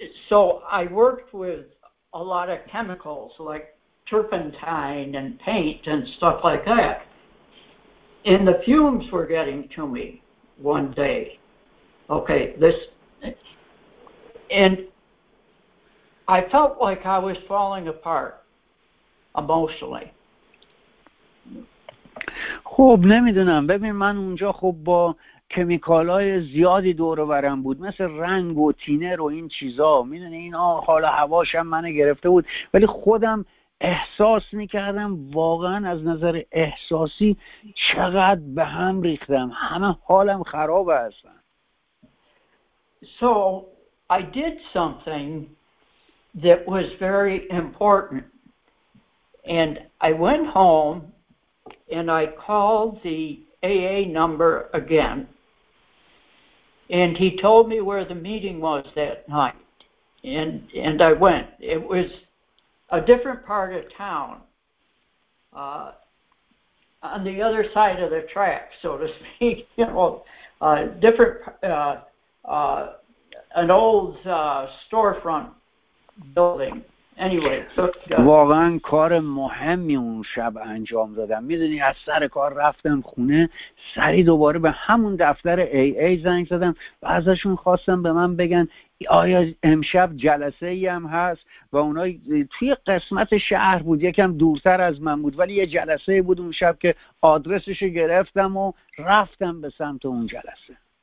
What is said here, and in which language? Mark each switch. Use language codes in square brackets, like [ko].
[en] So I worked with a lot of chemicals like turpentine and paint and stuff like that. And the fumes were getting to me one day. Okay, this... And I felt like I was falling apart emotionally. [fa] خب نمیدونم. ببین من اونجا خب با کمیکالای زیادی دور و برم بود، مثل رنگ و تینر و این چیزا، میدونی اینا، حال هواشم منو گرفته بود، ولی خودم احساس میکردم واقعا از نظر احساسی چقدر به هم ریختم، همه حالم خراب هستن. [en] So I did something that was very important, and I went home and I called the AA number again, and he told me where the meeting was that night, and I went. It was a different part of town, on the other side of the track, so to speak, you know, different, an old storefront building. [fa] واقعا کار مهمی اون شب انجام دادم. میدونی از سر کار رفتم خونه، سری دوباره به همون دفتر AA زنگ زدم و ازشون خواستم به من بگن آیا امشب جلسه ای هم هست، و اونا توی قسمت شهر بود، یکم دورتر از من بود، ولی یه جلسه بود اون شب که آدرسشو گرفتم و رفتم به سمت اون جلسه.